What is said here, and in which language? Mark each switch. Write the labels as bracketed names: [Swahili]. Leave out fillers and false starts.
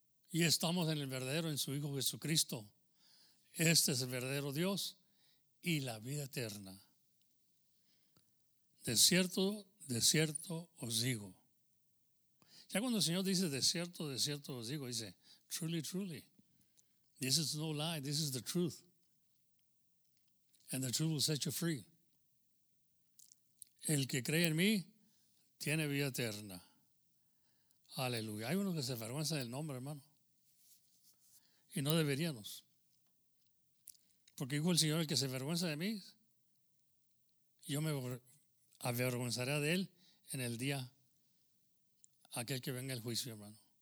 [Spanish] Y estamos en el verdadero, en su Hijo Jesucristo. Este es el verdadero Dios y la vida eterna. De cierto os digo. Ya cuando el Señor dice de cierto os digo, dice, [English] truly, truly. This is no lie, this is the truth. And the truth will set you free. [Spanish] El que cree en mí, tiene vida eterna. Aleluya. Hay uno que se avergüenza del nombre, hermano. Y no deberíamos. Porque dijo el Señor, el que se avergüenza de mí, yo me avergonzaré de él en el día aquel que venga el juicio, hermano.